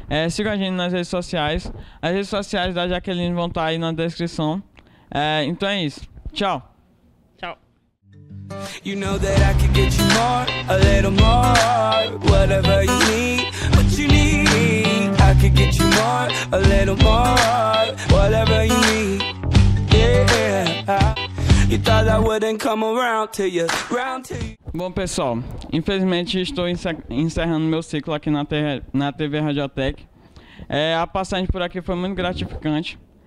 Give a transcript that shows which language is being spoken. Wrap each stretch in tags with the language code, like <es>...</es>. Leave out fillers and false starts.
<pt>Siga a gente nas redes sociais. As redes sociais da Jaqueline vão estar aí na descrição. Então é isso. Tchau. Tchau.</pt> <en>You know that I could get you more, a little more. Whatever you need, what you need. I could get you more, a little more. Whatever you need. Yeah. You thought I wouldn't come around to you, round to you.</en> <pt>Bom, pessoal, infelizmente estou encerrando meu ciclo aqui na TV Radiotech. A passagem por aqui foi muito gratificante.</pt>